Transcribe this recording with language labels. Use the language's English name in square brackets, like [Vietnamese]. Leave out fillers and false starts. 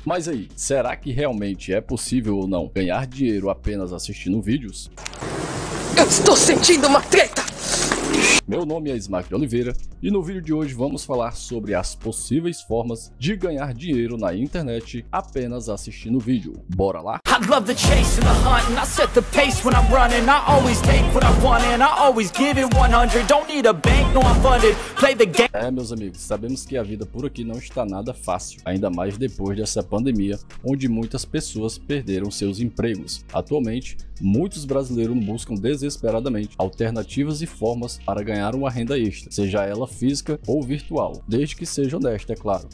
[Portuguese] Mas aí, será que realmente é possível ou não ganhar dinheiro apenas assistindo vídeos? Eu estou sentindo uma treta! Meu nome é Ismael de Oliveira e no vídeo de hoje vamos falar sobre as possíveis formas de ganhar dinheiro na internet apenas assistindo vídeo. Bora lá? [English] I love the chase and the hunt and I set the pace when I'm running. I always take what I want and I always give it 100. Don't need a bank, no I'm funded. Play the game. [Portuguese] É, meus amigos, sabemos que a vida por aqui não está nada fácil, ainda mais depois dessa pandemia, onde muitas pessoas perderam seus empregos. Atualmente, muitos brasileiros buscam desesperadamente alternativas e formas para ganhar uma renda extra, seja ela física ou virtual, desde que seja honesta, é claro.